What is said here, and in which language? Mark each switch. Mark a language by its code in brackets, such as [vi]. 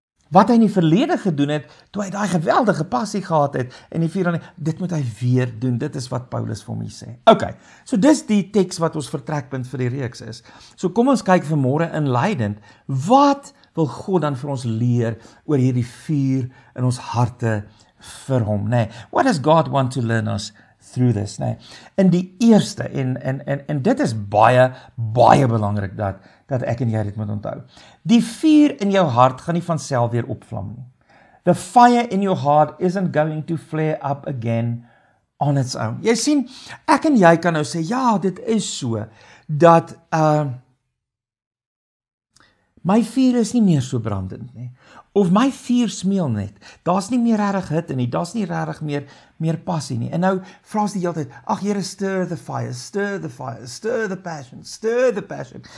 [af] Wat hy in die verlede gedoen het, toe hy daai geweldige passie gehad het, en die vuur, dit moet hy weer doen, dit is wat Paulus vir hom sê. Ok, so dis die teks wat ons vertrekpunt vir die reeks is. So kom ons kyk vanmôre inleidend, wat wil God dan vir ons leer oor hierdie vuur in ons harte vir hom, nê? [en] Nee, what does God want to learn us through this, nê? [af] Nee? In die eerste, en dit is baie, baie belangrik dat ek en jy dit moet onthou. Die vuur in jou hart gaan nie vanself weer opvlam nie. [en] The fire in your heart isn't going to flare up again on its own. [af] Jy sien, ek en jy kan nou sê, ja, dit is so, dat my vuur is nie meer so brandend nie. Of my vuur smeel net. Daar's nie meer regtig hit in nie. Daar's nie regtig meer passie nie. En nou vras die hele tyd, ag Here, stir the fire, stir the fire, stir the passion, stir the passion.